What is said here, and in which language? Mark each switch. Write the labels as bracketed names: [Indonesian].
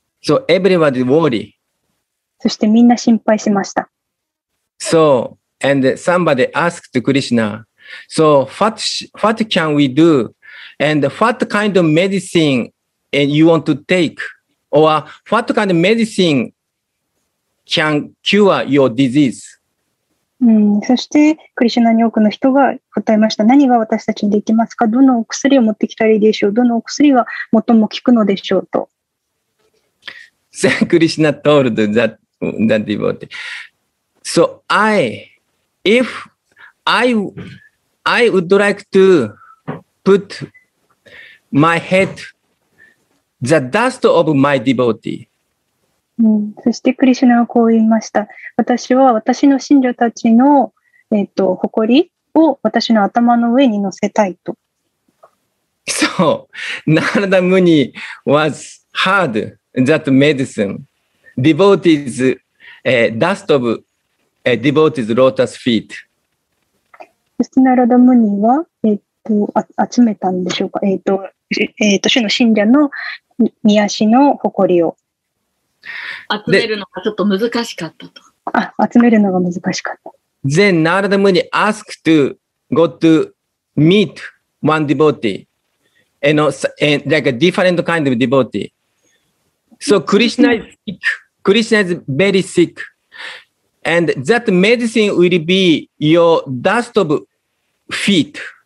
[English] So, everybody worry. [Japanese] そしてみんな心配しました。 [English] So, and somebody asked Krishna, So, what can we do? And what kind of medicine and you want to take? Or what kind of medicine can cure your disease? [Japanese] そして、クリシュナに多くの人が答えました。何が私たちにできますか？どのお薬を持ってきたらいいでしょう？どのお薬が最も効くのでしょうと。 [English] So, Krishna told that devotee. So, if I would like to put my head the dust of my devotee. [Japanese] そしてクリシュナはこう言いました。私は私の信者たちの、埃を私の頭の上に乗せたいと。 [English] So, Narada Muni was heard that medicine, devotees, dust of devotees' lotus feet. [Japanese] そしてナラダムニは、集めたんでしょうか。主の信者の御足の埃を。集めるのがちょっと難しかったと。あ、集めるのが難しかった。 [English] Then Narada Muni asked to go to meet one devotee, and like a different kind of devotee. So Krishna is sick. Krishna is very sick. And that medicine will be your dust of feet.